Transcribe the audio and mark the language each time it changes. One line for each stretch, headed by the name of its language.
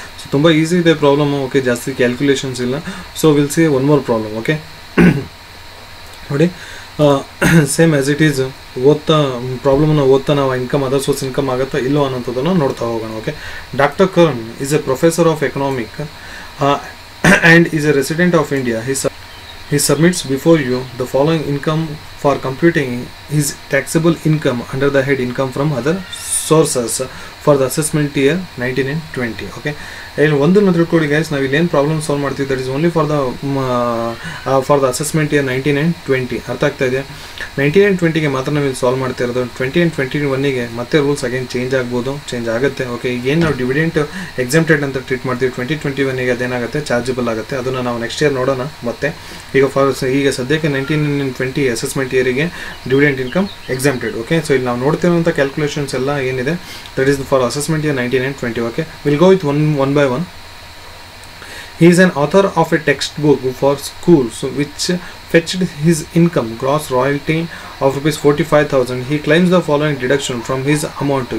Kannada: So ತುಂಬ easy ಇದೆ problem. Okay, ಜಾಸ್ತಿ ಕ್ಯಾಲ್ಕುಲೇಷನ್ಸ್ ಇಲ್ಲ.
English: So will see one more problem.
Kannada: Okay ನೋಡಿ,
English: same as it is
Kannada: ಓದ್ತಾ ಪ್ರಾಬ್ಲಮನ್ನು ಓದ್ತಾ ನಾವು ಇನ್ಕಮ್ ಅದರ್ ಸೋರ್ಸ್ ಇನ್ಕಮ್ ಆಗುತ್ತಾ ಇಲ್ಲೋ ಅನ್ನೋಂಥದ್ದನ್ನು ನೋಡ್ತಾ ಹೋಗೋಣ.
English: Okay, doctor Karn is a professor of economic and is a resident of India. He submits before you the following income for computing his taxable income under the head income from other sources for the assessment year 19 and 20.
Kannada: Okay, ಏನು ಒಂದನ್ನು ತಿಳ್ಕೊಳ್ಳಿ guys, ನಾವು ಇಲ್ಲೇನು problem solve ಮಾಡ್ತೀವಿ,
English: That is only for the assessment year 19 and 20.
Kannada: ಅರ್ಥ ಆಗ್ತಾ ಇದೆಯಾ? 19 and 20 ಮಾತ್ರ ನಾವು ಇಲ್ಲಿ ಸಾಲ್ವ್ ಮಾಡ್ತಾ ಇರೋದು, 20 and 21 ಮತ್ತೆ ರೂಲ್ಸ್ ಅಗೇನ್ ಚೇಂಜ್ ಆಗ್ಬೋದು, ಚೇಂಜ್ ಆಗುತ್ತೆ. ಓಕೆ, ಏನು ನಾವು ಡಿವಿಡೆಂಟ್ ಎಕ್ಸೆಂಪ್ಟೆಡ್ ಅಂತ ಟ್ರೀಟ್ ಮಾಡ್ತೀವಿ 20, 21 ಅದೇನಾಗುತ್ತೆ ಚಾರ್ಜಬಲ್ ಆಗುತ್ತೆ, ಅದನ್ನು ನಾವು ನೆಕ್ಸ್ಟ್ ಇಯರ್ ನೋಡೋಣ. ಮತ್ತೆ ಈಗ ಈಗ ಸದ್ಯಕ್ಕೆ 19 and 20 assessment ಇಯರಿಗೆ dividend income exempted. Okay, so ಇಲ್ಲಿ ನಾವು ನೋಡ್ತಿರುವಂಥ ಕ್ಯಾಲ್ಕುಲೇಷನ್ಸ್ ಎಲ್ಲ ಏನಿದೆ,
English: That is for assessment year 19 and 20. Okay, will go with one by one. He is an author of a textbook for schools which fetched his income gross royalty of ₹45,000. He claims the following deduction from his amount.